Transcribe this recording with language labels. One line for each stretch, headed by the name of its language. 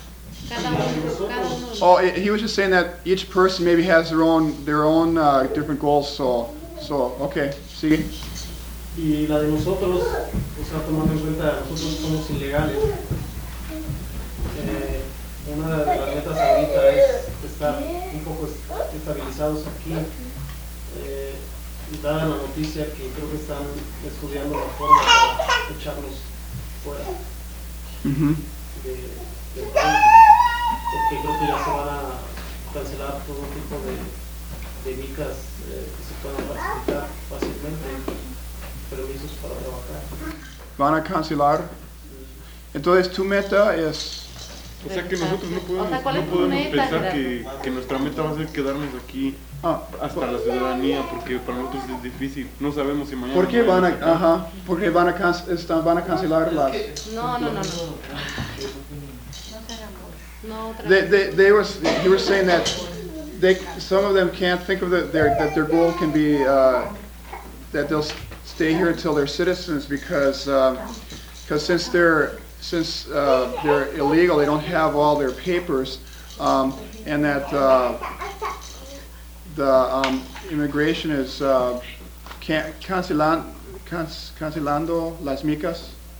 English: He was just saying that each person maybe has their own different goals. So okay, sigue.
Spanish: Y la de nosotros, o sea, tomando en cuenta que nosotros somos ilegales. Una de las metas ahorita es estar un poco estabilizados aquí. Y estaba en la noticia que creo que están estudiando la forma de echarlos fuera. Porque creo que ya se van a cancelar todo tipo de micas que se puedan practicar fácilmente, permisos para trabajar. ¿Van a cancelar? Entonces, tu meta es... O sea, que nosotros no podemos, o sea, no podemos meta, pensar que nuestra meta va a ser quedarnos aquí hasta la ciudadanía, porque para nosotros es difícil. No sabemos si mañana... ¿Por qué van a, porque van a, van a cancelar las...? No.
English: You were saying that some of them can't think of that their goal can be that they'll stay here until they're citizens because since they're illegal, they don't have all their papers, and that the immigration is
Spanish: cancelando las micas.